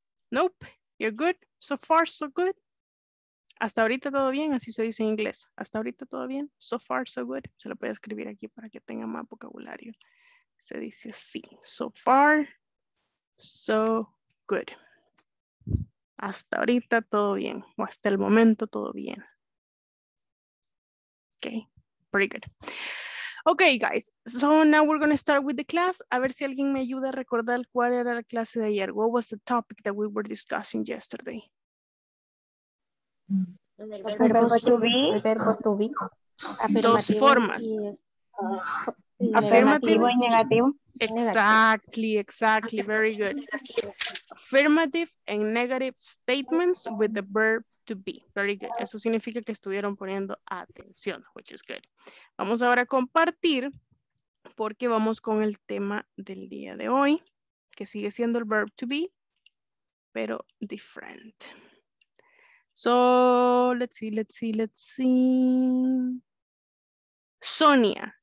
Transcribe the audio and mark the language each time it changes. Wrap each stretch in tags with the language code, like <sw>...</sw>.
<en>Nope. You're good. So far, so good.</en> <es>Hasta ahorita todo bien. Así se dice en inglés. Hasta ahorita todo bien. So far, so good. Se lo puede escribir aquí para que tenga más vocabulario. Se dice así.</es> <en>So far, so good.</en> <es>Hasta ahorita todo bien, o hasta el momento todo bien.</es> <en>Okay, pretty good. Okay, guys, so now we're going to start with the class.</en> <es>A ver si alguien me ayuda a recordar cuál era la clase de ayer.</es> <en>What was the topic that we were discussing yesterday?</en> <es>El verbo to be. Dos formas. Afirmativo y negativo.</es> <en>Exactly, exactly. Very good. Affirmative and negative statements with the verb to be.</en> <es>Very good. Eso significa que estuvieron poniendo atención,</es> <en>which is good.</en> <es>Vamos ahora a compartir porque vamos con el tema del día de hoy, que sigue siendo el verb to be, pero different.</es> <en>So, let's see. Sonia.</en>